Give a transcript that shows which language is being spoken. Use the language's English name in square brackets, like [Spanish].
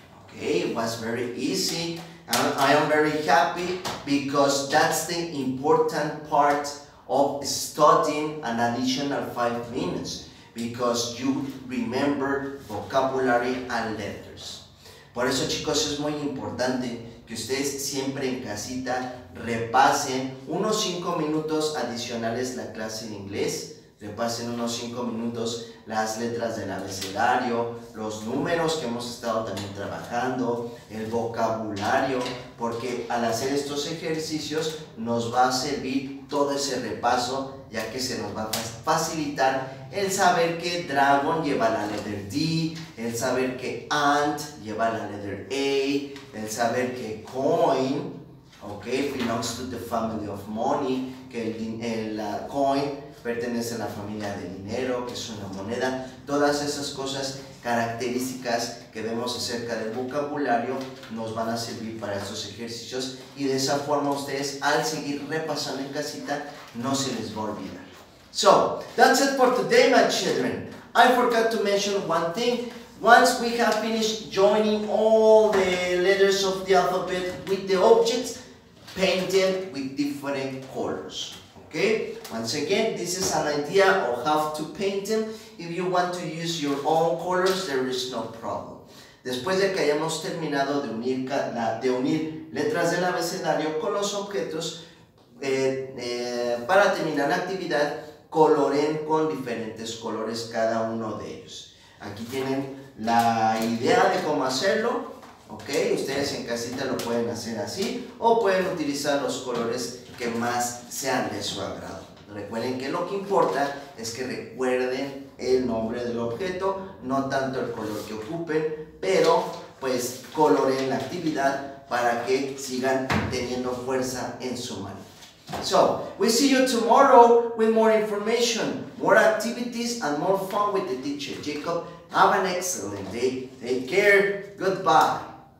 [English] Okay, it was very easy. And I am very happy because that's the important part of studying an additional 5 minutes, because you remember vocabulary and letters. [Spanish] Por eso, chicos, es muy importante que ustedes siempre en casita repasen unos 5 minutos adicionales la clase de inglés. Repasen unos 5 minutos las letras del abecedario, los números que hemos estado también trabajando, el vocabulario, porque al hacer estos ejercicios nos va a servir todo ese repaso, ya que se nos va a facilitar el saber que dragon lleva la letter D, el saber que ant lleva la letter A, el saber que coin, [English] ok, belongs to the family of money, [Spanish] que la coin pertenece a la familia de dinero, que es una moneda. Todas esas cosas características que vemos acerca del vocabulario nos van a servir para estos ejercicios. Y de esa forma ustedes, al seguir repasando en casita, no se les va a olvidar. [English] So, that's it for today, my children. I forgot to mention one thing. Once we have finished joining all the letters of the alphabet with the objects, paint them with different colors. Okay, once again, this is an idea of how to paint them. If you want to use your own colors, there is no problem. [Spanish] Después de que hayamos terminado de unir letras del abecedario con los objetos, para terminar la actividad, coloreen con diferentes colores cada uno de ellos. Aquí tienen la idea de cómo hacerlo. Ok, ustedes en casita lo pueden hacer así o pueden utilizar los colores que más sean de su agrado. Recuerden que lo que importa es que recuerden el nombre del objeto, no tanto el color que ocupen, pero pues coloreen la actividad para que sigan teniendo fuerza en su mano. [English] So, we see you tomorrow with more information, more activities, and more fun with the teacher, Jacob. Have an excellent day. Take care. Goodbye.